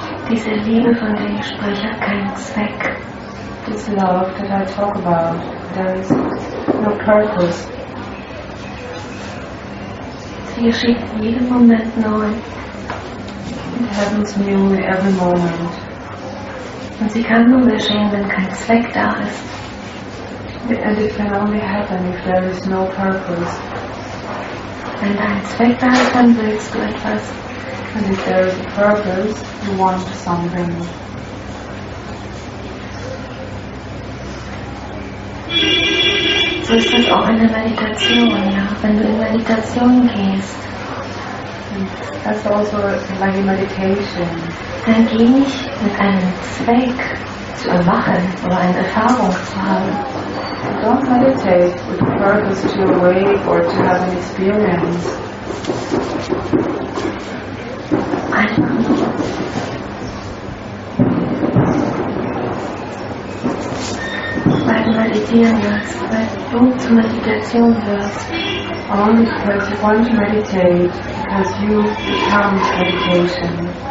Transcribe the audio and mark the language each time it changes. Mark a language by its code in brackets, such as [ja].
[de] Diese Liebe, von der ich spreche, hat keinen Zweck. [en] This love that I talk about, there is no purpose. [de] Sie geschieht jeden Moment neu. [en] It happens new every moment. [de] Und sie kann nur geschehen, wenn kein Zweck da ist. [en] And it can only happen if there is no purpose. [de] Wenn da ein Zweck da ist, dann willst du etwas. [en] And if there is a purpose, you want something. [de] So ist das auch in der Meditation, ja. Wenn du in Meditation gehst, [en] that's also like meditation. [de] Dann geh nicht mit einem Zweck zu erwachen oder eine Erfahrung zu haben. [en] Don't meditate with the purpose to awake or to have an experience. [de] Weil du meditieren wirst, weil du zur Meditation wirst. [en] Only because you want to meditate, because you become meditation.